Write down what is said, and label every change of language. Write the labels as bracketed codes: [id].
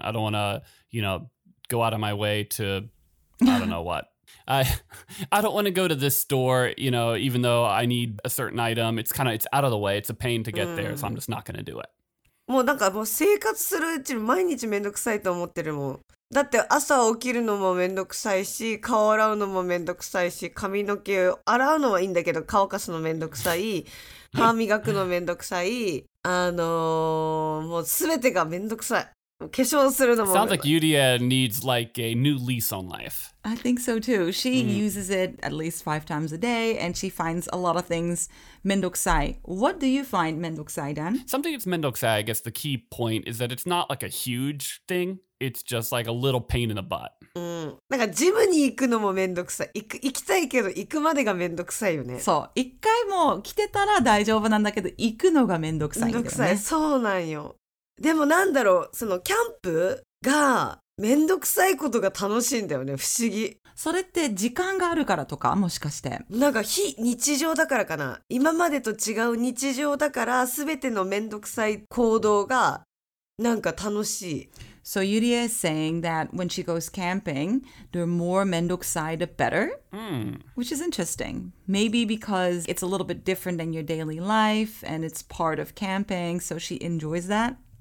[en] I don't want to, you know, go out of my way to, I don't know what. I don't want to go to this store, you know, even though I need a certain item. It's kind of, it's out of the way. It's a pain to get there, so I'm just not going to do it. [ja] もうなんかもう生活するうちに毎日めんどくさいと思ってるもん。だって朝起きるのもめんどくさいし、顔洗うのもめんどくさいし、髪の毛洗うのはいいんだけど、乾かすのめんどくさい、歯磨くのめんどくさい、もうすべてがめんどくさい。化粧するのも。 [en] Sounds like Yuria needs like a new lease on life. I think so too. She uses it at least 5 times a day and she finds a lot of things mendokusai. What do you find mendokusai, Dan? Something that's mendokusai, I guess the key point is that it's not like a huge thing. It's just like a little pain in the butt. [ja] なんかジムに行くのもめんどくさい。行きたいけど行くまでがめんどくさいよね。そう。一回も来てたら大丈夫なんだけど行くのがめんどくさいんだよね。めんどくさい。そうなんよ。でもなんだろう、そのキャンプがめんどくさいことが楽しいんだよね、不思議。それって時間があるからとか、もしかして。なんか非日常だからかな。今までと違う日常だから、すべてのめんどくさい行動がなんか楽しい。 [en] So Yuria is saying that when she goes camping, the more mendokusai, the better. Which is interesting. Maybe because it's a little bit different than your daily life and it's part of camping, so she enjoys that.